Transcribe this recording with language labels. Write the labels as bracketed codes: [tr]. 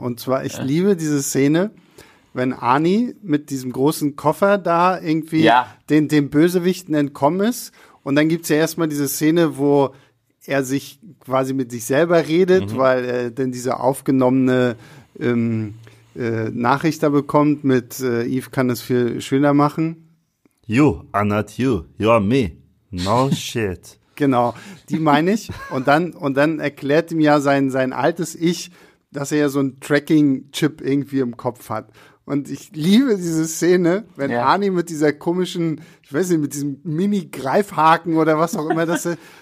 [de] Und zwar, ich liebe diese Szene, wenn Arnie mit diesem großen Koffer da irgendwie den Bösewichten entkommen ist. Und dann gibt's ja erstmal diese Szene, wo er sich quasi mit sich selber redet, weil er denn diese aufgenommene Nachricht da bekommt mit Eve kann es viel schöner machen. [en] You are not you, you are me. No shit. [de] Genau, die meine ich. Und dann erklärt ihm ja sein altes Ich, dass er ja so einen Tracking-Chip irgendwie im Kopf hat. Und ich liebe diese Szene, wenn Arnie mit dieser komischen, ich weiß nicht, mit diesem Mini-Greifhaken oder was auch immer, dass er